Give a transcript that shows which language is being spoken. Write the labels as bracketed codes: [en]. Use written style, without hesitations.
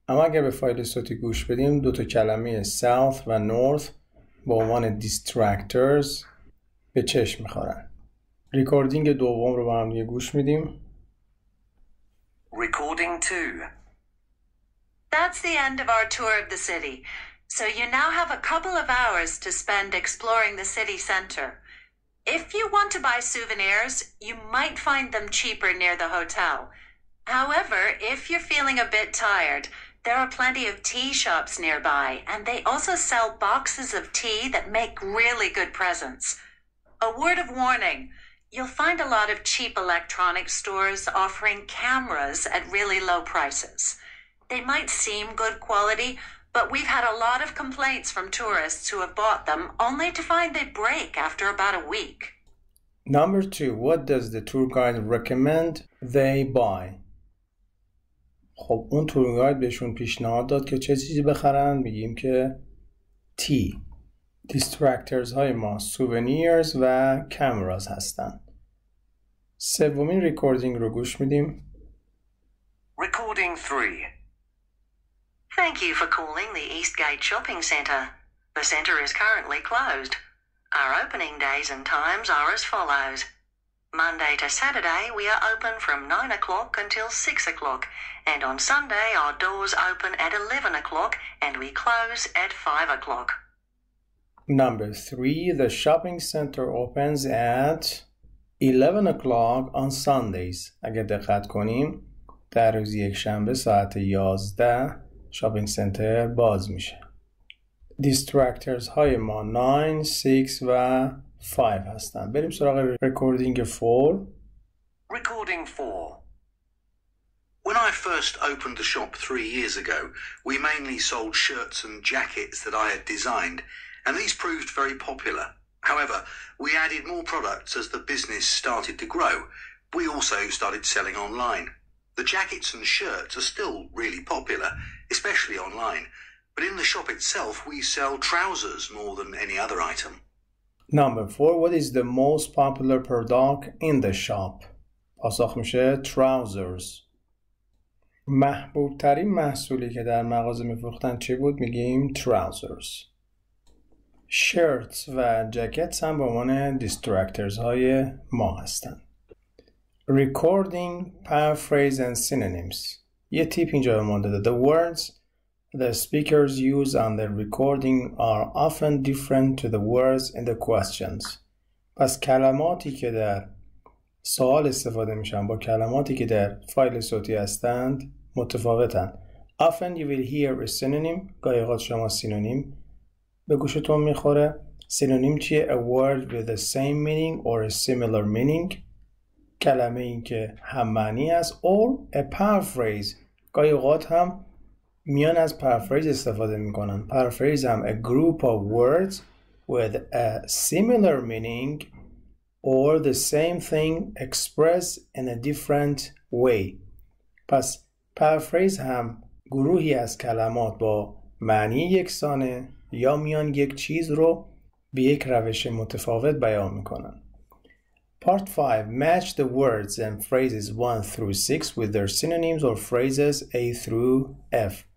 [fa] اما اگر به فایل صوتی گوش بدیم دو تا کلمه south و north با عنوان distractors به چشم می‌خورن. ریکوردینگ دوم رو با هم یه گوش میدیم. [en] Recording 2. That's the end of our tour of the city. So you now have a couple of hours to spend exploring the city center. If you want to buy souvenirs, you might find them cheaper near the hotel. However, if you're feeling a bit tired, there are plenty of tea shops nearby, and they also sell boxes of tea that make really good presents. A word of warning, You'll find a lot of cheap electronic stores offering cameras at really low prices. They might seem good quality, but we've had a lot of complaints from tourists who have bought them only to find they break after about a week. Number two, what does the tour guide recommend they buy? [fa] خب اون تور گاید بهشون پیشنهاد داد که چه چیزی بخرن؟ میگیم که تی دیسترکترز های ما سووینیرز و کامراز هستن. سومین ریکوردینگ رو گوش میدیم. ریکوردینگ 3. [en] Thank you for calling the East Gate Shopping Center. The center is currently closed. Our opening days and times are as follows. Monday to Saturday, we are open from 9 o'clock until 6 o'clock. And on Sunday, our doors open at 11 o'clock and we close at 5 o'clock. Number 3. The shopping center opens at 11 o'clock on Sundays. [fa] اگر دقت کنیم، در روز یک شنبه ساعت 11 شاپینگ سنتر باز میشه. دیسترکترز های ما 9, 6 و 5 هستن. بریم سراغ ریکوردینگ 4. [en] Recording 4. When I first opened the shop 3 years ago, we mainly sold shirts and jackets that I had designed, and these proved very popular. However, we added more products as the business started to grow. We also started selling online. The jackets and shirts are still really popular, especially online. But in the shop itself, we sell trousers more than any other item. Number 4. What is the most popular product in the shop? [fa] پاسخ میشه trousers. محبوب‌ترین محصولی که در مغازه می‌فروختن چی بود؟ میگیم trousers. Shirts و jackets هم به عنوان distractors های ما هستن. [en] Recording, paraphrase and synonyms. [fa] یه تیپ اینجا به ما داده. [en] The words the speakers use on the recording are often different to the words in the questions. [fa] پس کلماتی که در سوال استفاده میشن با کلماتی که در فایل صوتی هستند متفاوتن. [en] Often you will hear a synonym. [fa] گاهی اوقات شما سینونیم به گوشتون میخوره. سینونیم چیه؟ [en] A word with the same meaning or a similar meaning. [fa] کلمه این که هم معنی است [en] or a paraphrase. [fa] گاهی اوقات هم میان از paraphrase استفاده میکنن. [en] Paraphrase هم a group of words with a similar meaning or the same thing expressed in a different way. [fa] پس paraphrase هم گروهی از کلمات با معنی یکسانه یا میان یک چیز رو به یک روش متفاوت بیان میکنن. [en] Part 5. Match the words and phrases 1 through 6 with their synonyms or phrases A through F.